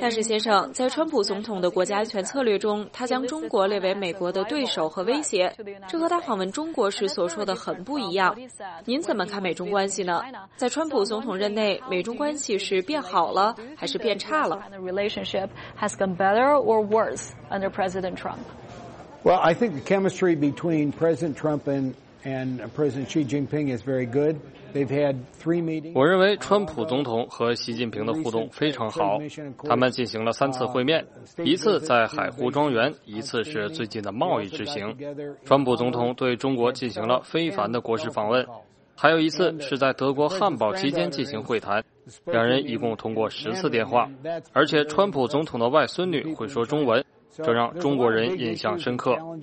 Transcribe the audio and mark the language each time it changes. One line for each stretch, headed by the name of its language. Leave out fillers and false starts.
Chinese: 大使先生，在川普总统的国家安全策略中，他将中国列为美国的对手和威胁，这和他访问中国时所说的很不一样。您怎么看美中关系呢？在川普总统任内，美中关系是变好了还是变差了？
English: Relationship has gone better or worse under President Trump? Well, I think the chemistry between President Trump and President Xi Jinping is very good. They've had three meetings.
Chinese: 我认为川普总统和习近平的互动非常好，他们进行了三次会面，一次在海湖庄园，一次是最近的贸易之行。川普总统对中国进行了非凡的国事访问，还有一次是在德国汉堡期间进行会谈，两人一共通过14次电话，而且川普总统的外孙女会说中文，这让中国人印象深刻。